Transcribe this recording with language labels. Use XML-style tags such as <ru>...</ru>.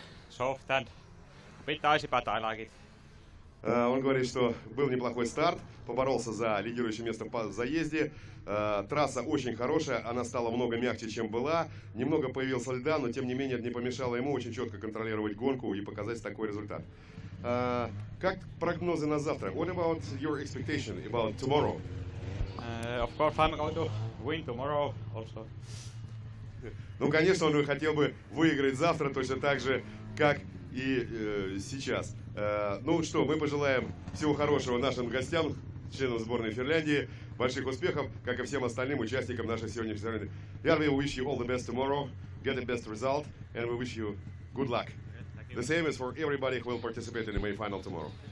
<en>soft and a bit icy, but I like it.</en> <ru>Он говорит, что был неплохой старт, поборолся за лидирующее место в заезде. Трасса очень хорошая, она стала много мягче, чем была. Немного появился льда, но тем не менее это не помешало ему очень четко контролировать гонку и показать такой результат. Как прогнозы на завтра?</ru> <en>What about your expectation about tomorrow? Of course, I'm going to win tomorrow also.</en> <ru>Ну, конечно, он хотел бы выиграть завтра точно так же, как и сейчас. Ну что, мы пожелаем всего хорошего нашим гостям, членам сборной Финляндии, больших успехов, как и всем остальным участникам наших сегодняшних соревнований.</ru> <en>Ярви, we wish you all the best tomorrow, get the best result, and we wish you good luck. The same is for everybody who will participate in the May final tomorrow.</en>